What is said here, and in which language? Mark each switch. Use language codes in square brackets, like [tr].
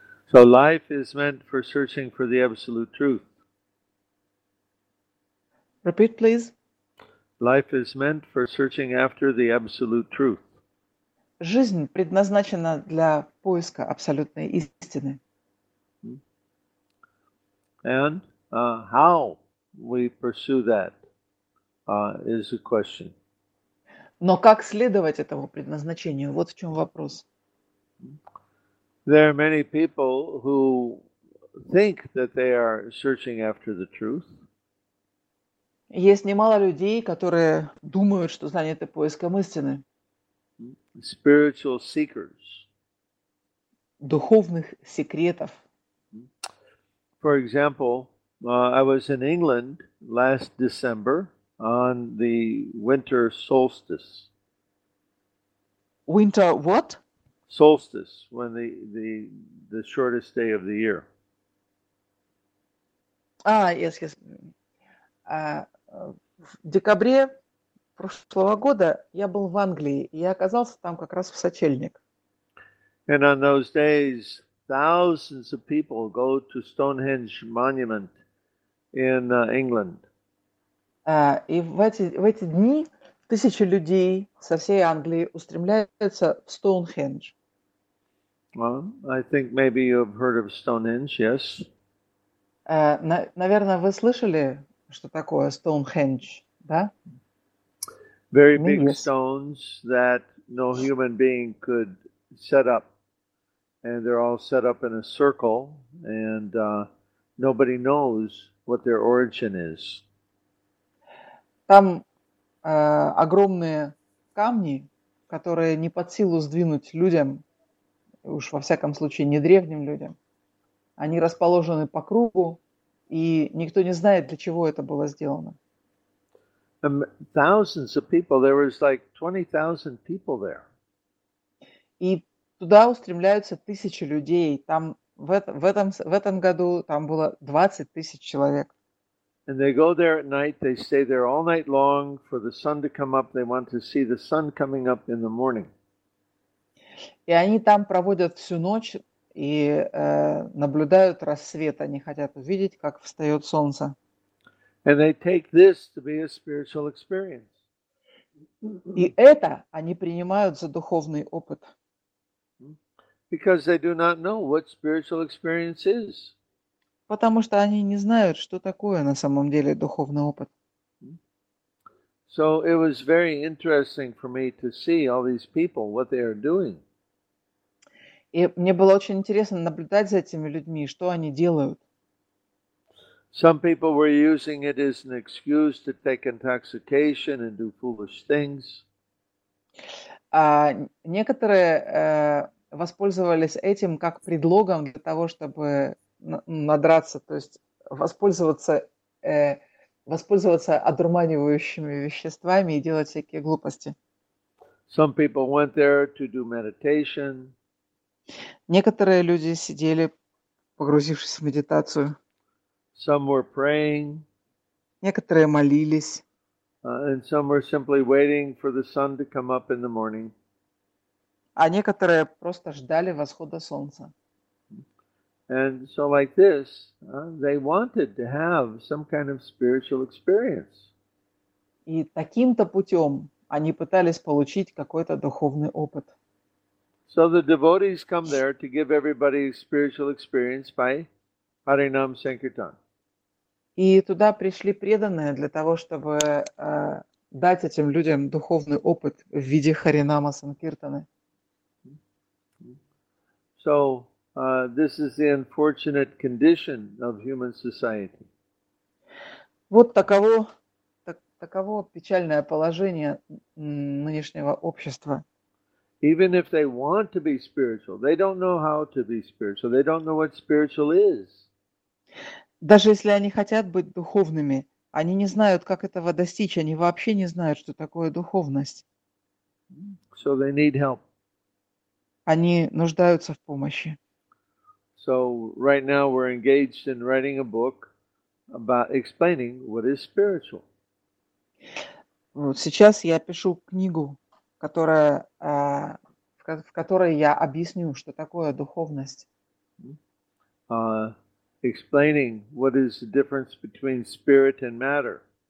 [en] So life is meant for searching for the absolute truth. Repeat, please. Life is meant for searching after the absolute truth. [ru] Жизнь предназначена для поиска абсолютной истины. [en] And how we pursue that is a question. [ru] Но как следовать этому предназначению? Вот в чем вопрос. [en] There are many people who think that they are searching after the truth. [ru] Есть немало людей, которые думают, что заняты поиском истины. [en] Spiritual seekers. [ru] Духовных секретов. [en] For example, I was in England last December on the winter solstice. Winter what? Solstice, when the shortest day of the year. Ah, yes, yes. [ru] В декабре прошлого года я был в Англии, и я оказался там как раз в сочельник. [en] And on those days, thousands of people go to Stonehenge Monument in England. [ru] И в эти дни тысячи людей со всей Англии устремляются в Стоунхендж. [en] Well, I think maybe you've heard of Stonehenge, yes. [ru] Наверное, вы слышали, что такое Стоунхендж, да? [en] Very big stones that no human being could set up. And they're all set up in a circle, and nobody knows what their origin is. [ru] Там огромные камни, которые не под силу сдвинуть людям, уж во всяком случае не древним людям. Они расположены по кругу, и никто не знает, для чего это было сделано. [en] Thousands of people. There was like 20,000 people there. [ru] И туда устремляются тысячи людей. Там в этом году там было 20 тысяч человек. [en] And they go there at night, they stay there all night long for the sun to come up. They want to see the sun coming up in the morning. [ru] И они там проводят всю ночь и наблюдают рассвет. Они хотят увидеть, как встает солнце. [en] And they take this to be a spiritual experience. [ru] И это они принимают за духовный опыт. [en] Because they do not know what spiritual experience is. [ru] Потому что они не знают, что такое на самом деле духовный опыт. [en] So it was very interesting for me to see all these people, what they are doing. [ru] И мне было очень интересно наблюдать за этими людьми, что они делают. [en] Some people were using it as an excuse to take intoxication and do foolish things. [ru] Воспользовались этим как предлогом для того, чтобы надраться, то есть воспользоваться одурманивающими веществами и делать всякие глупости. [en] Some people went there to do meditation. [ru] Некоторые люди сидели, погрузившись в медитацию. [en] Some were praying. [ru] Некоторые молились. [en] And some were simply waiting for the sun to come up in the morning. [ru] А некоторые просто ждали восхода солнца. [en] And so like this, they wanted to have some kind of spiritual experience. [ru] И таким-то путем они пытались получить какой-то духовный опыт. [en] So the devotees come there to give everybody spiritual experience by Harinam Sankirtan. [ru] И туда пришли преданные для того, чтобы дать этим людям духовный опыт в виде Харинама Санкиртаны. [en] So this is the unfortunate condition of human society. [ru] Вот таково печальное положение нынешнего общества. [en] Even if they want to be spiritual, they don't know how to be spiritual. They don't know what spiritual is. [ru] Даже если они хотят быть духовными, Они не знают, как этого достичь. Они вообще не знают, что такое духовность. [en] So they need help. [ru] Они нуждаются в помощи. [en] So right now we're engaged in writing a book about explaining what is spiritual. [ru] Сейчас я пишу книгу, которая, в которой я объясню, что такое духовность. [en] Explaining what is the difference between spirit and matter.